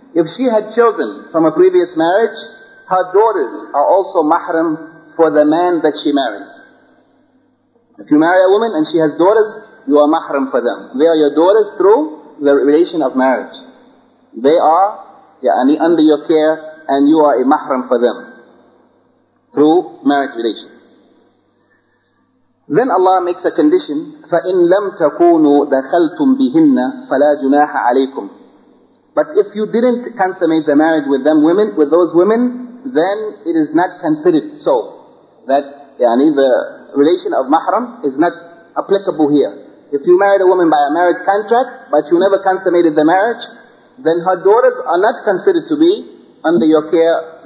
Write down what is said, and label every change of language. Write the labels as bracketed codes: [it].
[en] If she had children from a previous marriage, her daughters are also mahram for the man that she marries. If you marry a woman and she has daughters, you are mahram for them. They are your daughters through the relation of marriage. They are under your care and you are a mahram for them through marriage relation. Then Allah makes a condition, [ar] فَإِن لَمْ تَكُونُوا دَخَلْتُمْ بِهِنَّ فَلَا جُنَاحَ عَلَيْكُمْ. [en] But if you didn't consummate the marriage with them women, with those women, then it is not considered so. That the relation of mahram is not applicable here. If you married a woman by a marriage contract, but you never consummated the marriage, then her daughters are not considered to be under your care.